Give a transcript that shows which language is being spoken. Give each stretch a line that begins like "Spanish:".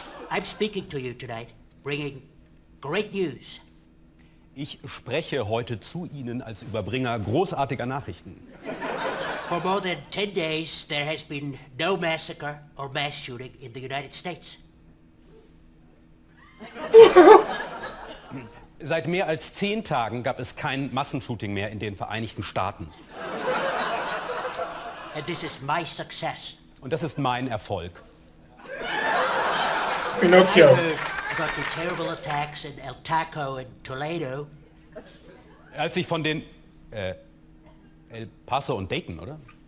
English: I'm speaking to you tonight, bringing great news.
German: Ich spreche heute zu Ihnen als Überbringer großartiger Nachrichten.
English: For more than 10 days, there has been no massacre or mass shooting in the United States.
German: Seit mehr als 10 Tagen gab es kein Massenshooting mehr in den Vereinigten Staaten.
English: And this is my success.
German: Und das ist mein Erfolg.
English: Pinocchio. About the terrible attacks in El Taco and Toledo.
German: Als ich von den El Paso und Dayton, oder?